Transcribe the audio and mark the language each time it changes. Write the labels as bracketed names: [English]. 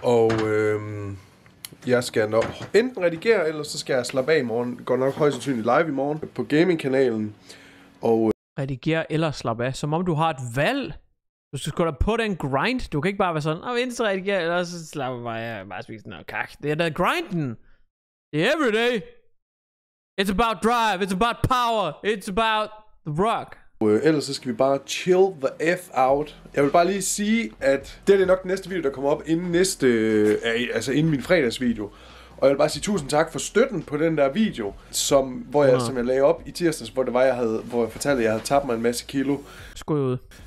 [Danish] Og jeg skal nok enten redigere, eller så skal jeg slappe af i morgen. Går nok højst sandsynligt live i morgen på gamingkanalen. Og redigere eller slappe af, som om du har et valg. Du skal sgu da på den grind. Du kan ikke bare være sådan, og venstre redigere, eller så slapper mig af, bare spise noget kak. Det er da grinden. Det er everyday. [English] It's about drive, it's about power, it's about the rock. [Danish] Ellers så skal vi bare [English] chill the F out. [Danish] Jeg vil bare lige sige, at det er nok den næste video, der kommer op inden næste, altså inden min fredagsvideo. Og jeg vil bare sige tusind tak for støtten på den der video, som, hvor jeg, som jeg lagde op i tirsdags, hvor det var, jeg fortalte, at jeg havde tabt mig en masse kilo. Skud ud.